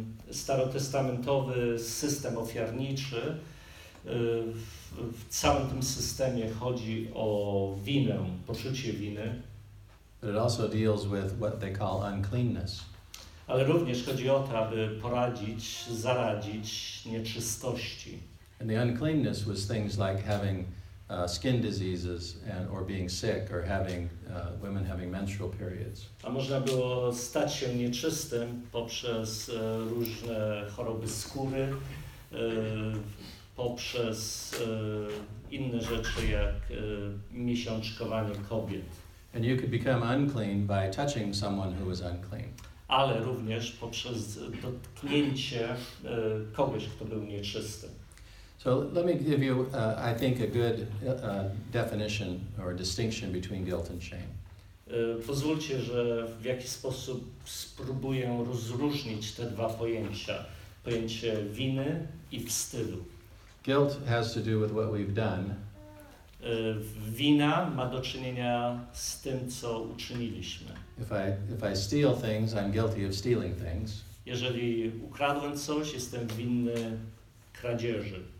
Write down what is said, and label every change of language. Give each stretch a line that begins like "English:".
Polish: Starotestamentowy system ofiarniczy w całym tym systemie chodzi o winę, poczucie winy.
English: But it also deals with what they call uncleanness.
Polish: Ale również chodzi o to, aby poradzić, zaradzić nieczystości.
English: And the uncleanness was things like having skin diseases and or being sick or having women having menstrual periods.
Polish: A można było stać się nieczystym poprzez różne choroby skóry, poprzez inne rzeczy jak miesiączkowanie kobiet.
English: And you could become unclean by touching someone who was unclean.
Polish: Ale również poprzez dotknięcie kogoś, kto był nieczysty.
English: So let me give you, I think, a good definition or distinction between guilt and shame.
Polish: Pozwólcie, że w jakiś sposób spróbuję rozróżnić te dwa pojęcia. Pojęcie winy i wstydu.
English: Guilt has to do with what we've done.
Polish: Wina ma do czynienia z tym, co uczyniliśmy.
English: If I steal things, I'm guilty of stealing things.
Polish: Jeżeli ukradłem coś, jestem winny kradzieży.